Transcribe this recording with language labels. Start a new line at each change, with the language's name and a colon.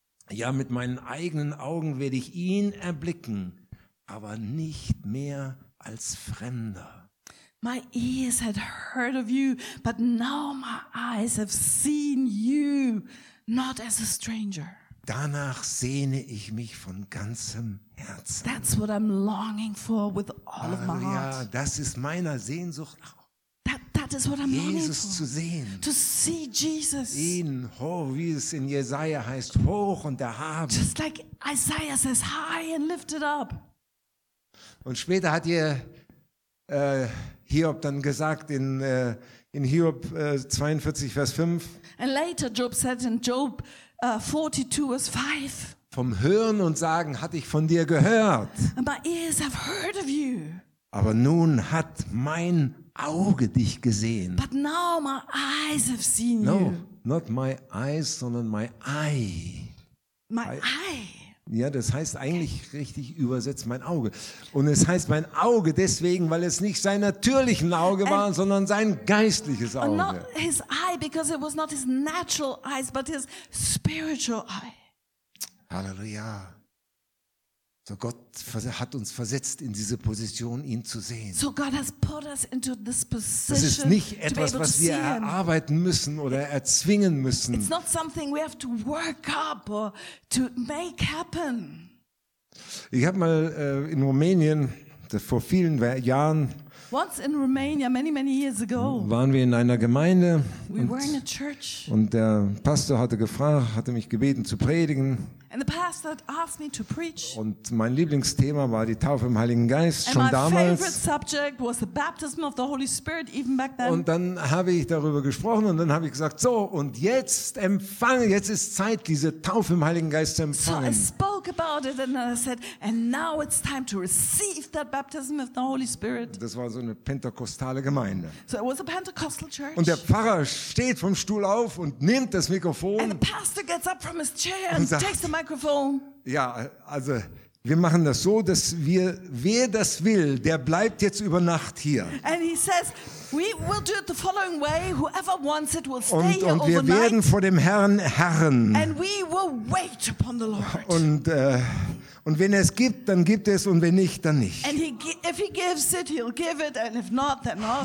German: Ja, mit meinen eigenen Augen werde ich ihn erblicken, aber nicht mehr als Fremder.
English: My ears had heard of you, but now my eyes have seen you, not as a stranger.
German: Danach sehne ich mich von ganzem Herzen.
English: That's what I'm longing for with all of my heart.
German: Ja, das ist meiner Sehnsucht.
English: That is what I'm Jesus longing
German: zu
English: for.
German: Sehen.
English: To see Jesus.
German: Ihn, oh, wie es in Jesaja heißt, hoch und erhaben.
English: Just like Isaiah says, high and lifted up.
German: Und später hat ihr Hiob dann gesagt in Hiob 42, Vers 5.
English: And later Job said in Job 42, Vers 5.
German: Vom Hören und Sagen hatte ich von dir gehört.
English: And my ears have heard of you.
German: Aber nun hat mein Auge dich gesehen.
English: But now my eyes have seen no, you. No, not my eyes,
German: sondern
English: my eye. My eye.
German: Ja, das heißt eigentlich richtig übersetzt mein Auge. Und es heißt mein Auge deswegen, weil es nicht sein natürliches Auge war, sondern sein geistliches Auge.
English: Not his eye, because it was not his natural eyes, but his spiritual eye.
German: Halleluja. So Gott hat uns versetzt in diese Position, ihn zu sehen.
English: So God has put us into this position.
German: Das ist nicht etwas, was wir erarbeiten müssen oder erzwingen müssen.
English: It's not something we have to work up or to make happen.
German: Ich habe mal in Rumänien vor vielen Jahren.
English: Once in Romania, many years ago,
German: waren wir in einer Gemeinde und der Pastor hatte mich gebeten zu predigen.
English: And the pastor asked me to preach.
German: Und mein Lieblingsthema war die Taufe im Heiligen Geist
English: and
German: schon damals.
English: My favorite subject was the baptism of the Holy Spirit even back then.
German: Und dann habe ich darüber gesprochen und dann habe ich gesagt, so und jetzt ist Zeit, diese Taufe im Heiligen Geist zu empfangen.
English: So I spoke about it and I said, and now it's time to receive that baptism of the Holy Spirit.
German: Das war so eine pentekostale Gemeinde.
English: So it was a Pentecostal church.
German: Und der Pfarrer steht vom Stuhl auf und nimmt das Mikrofon.
English: And the pastor gets up from his chair and takes the microphone.
German: Ja, also wir machen das so, dass wer das will, der bleibt jetzt über Nacht hier.
English: And he says, we will do it the following way. Whoever wants it will stay
German: und
English: here overnight.
German: Und wir werden vor dem Herrn herren.
English: And we will wait upon the Lord.
German: Und wenn es gibt, dann gibt es, und wenn nicht, dann nicht.
English: And if he gives it, he'll give it, and if not, then not.